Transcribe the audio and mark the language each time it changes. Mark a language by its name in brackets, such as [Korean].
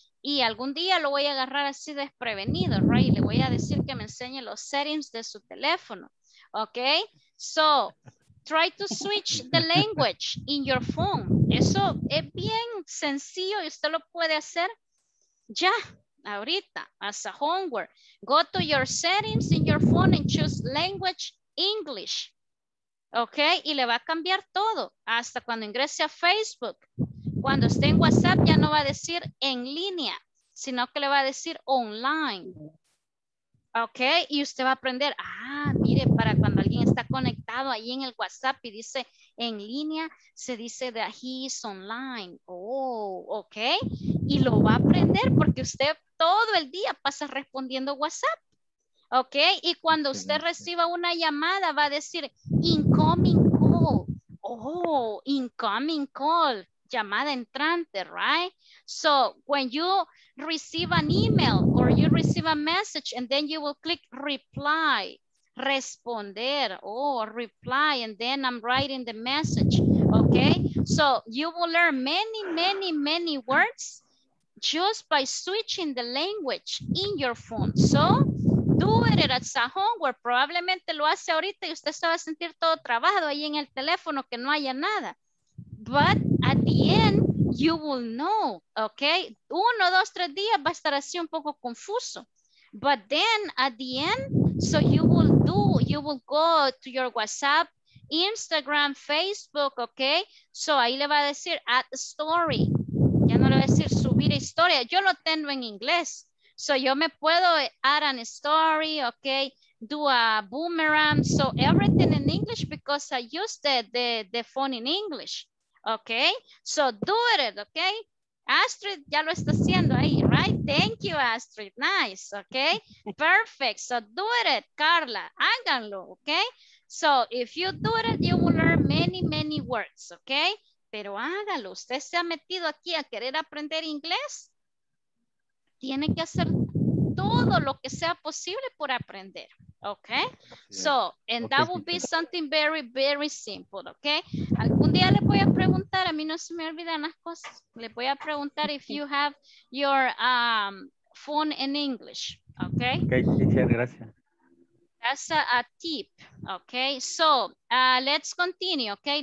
[Spanish] Y algún día lo voy a agarrar así desprevenido, [English] right? [Spanish] Le voy a decir que me enseñe los settings de su teléfono, [English] okay? So try to switch the language in your phone. [Spanish] Eso es bien sencillo y usted lo puede hacer ya, ahorita, [English] as a homework. Go to your settings in your phone and choose language English. [Spanish] Okay, y le va a cambiar todo. Hasta cuando ingrese a Facebook. Cuando esté en WhatsApp ya no va a decir en línea, sino que le va a decir online. Okay, y usted va a aprender, mire, para cuando alguien está conectado ahí en el WhatsApp y dice en línea, se dice [English] that he is online. Oh, okay. [Spanish] Y lo va a aprender porque usted todo el día pasa respondiendo WhatsApp. Okay, y cuando usted reciba una llamada va a decir [English] incoming call. Oh, incoming call, [Spanish] llamada entrante, [English] right? So when you receive an email or you receive a message and then you will click reply, responder, reply, and then I'm writing the message, okay? So you will learn many words just by switching the language in your phone. So do it at a homework. [Spanish] Probablemente lo hace ahorita y usted se va a sentir todo trabado ahí en el teléfono que no haya nada. [English] But at the end, you will know, okay? [Spanish] Uno, dos, tres días va a estar así un poco confuso. [English] But then at the end, so you will go to your WhatsApp Instagram, Facebook, ¿ok? [Spanish] So ahí le va a decir [English] add story. [Spanish] Ya no le va a decir subir historia. Yo lo tengo en inglés. So yo me puedo [English] add a story, [Spanish] ¿ok? [English] Do a boomerang. So everything in English because I use the phone in English. ¿Ok? So do it, ¿ok? Astrid [Spanish] ya lo está haciendo ahí, [English] right? Thank you, Astrid. Nice, okay? Perfect. So do it, Carla. [Spanish] Háganlo, [English] okay? So if you do it, you will learn many, many words, okay? [Spanish] Pero hágalo. ¿Usted se ha metido aquí a querer aprender inglés? Tiene que hacer todo lo que sea posible por aprender, okay? [English] So, and that will be something very, very simple, okay? [Spanish] Algún día le voy a preguntar, a mí no se me olvidan las cosas, le voy a preguntar [English] if you have your phone in English, [Spanish] okay? [English] Okay, teacher, gracias. That's a tip, okay? So, let's continue, okay?